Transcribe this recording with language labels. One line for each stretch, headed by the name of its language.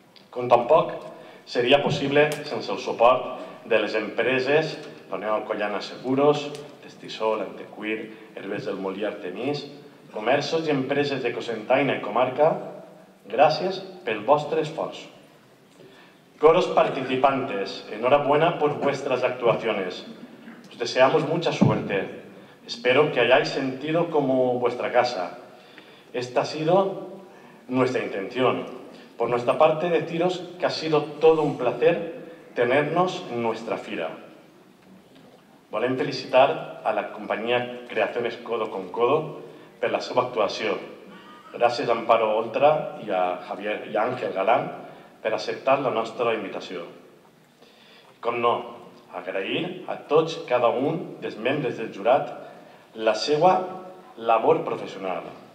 Catalan: Com tampoc seria possible sense el suport de les empreses Doneu Collana Seguros, Testisol, Antecuir, Herbes del Molí Artemís, comerços i empreses de Cocentaina i comarca, gràcies pel vostre esforç.
Spanish: Coros participantes, enhorabuena por vuestras actuaciones. Os deseamos mucha suerte. Espero que hayáis sentido como vuestra casa. Esta ha sido nuestra intención. Por nuestra parte, deciros que ha sido todo un placer tenernos en nuestra fira.
Catalan: Volem felicitar a la companyia Creaciones Codo con Codo per la seva actuació. Gràcies a Amparo Oltra i a Javier i a Àngel Galán per acceptar la nostra invitació. Com no, agrair a tots cada un dels membres del jurat la seva labor professional.